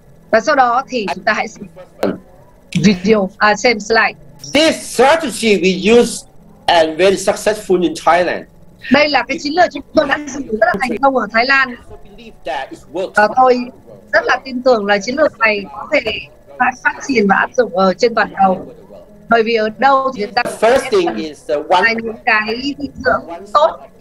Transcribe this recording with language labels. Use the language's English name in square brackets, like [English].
[Vietnamese] Và sau đó thì chúng ta hãy xem video, xem slide. [English] This strategy we use and very successful in Thailand. [Vietnamese] Đây là cái chiến lược chúng tôi đã sử dụng rất là thành công ở Thái Lan. Và tôi rất là tin tưởng là chiến lược này có thể phát triển và áp dụng ở trên toàn cầu. Bởi vì ở đâu thì chúng ta [English] first thing is the one [Vietnamese] là những cái dinh dưỡng tốt.